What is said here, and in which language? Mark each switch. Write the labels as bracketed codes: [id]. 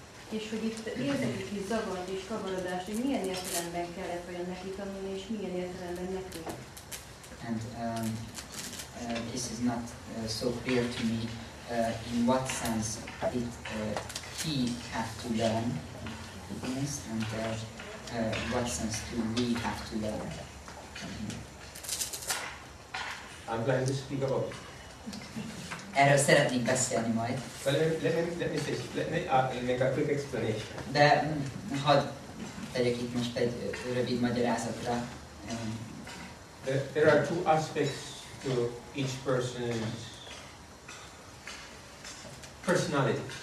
[hu] És hogy itt érzek egy kis zavart és kavarodást, hogy milyen értelemben kellett olyan neki tanulni, és milyen értelemben nekünk. [en] And this is not so clear to me in what sense it he had to learn things, and what sense do we have to learn from him. I'm going to speak about it. [hu] Erről szeretnék beszélni majd. [en] Let me make a quick explanation. [hu] De hadd tegyek itt most egy rövid magyarázatra. [en] There are two aspects to each person's personality.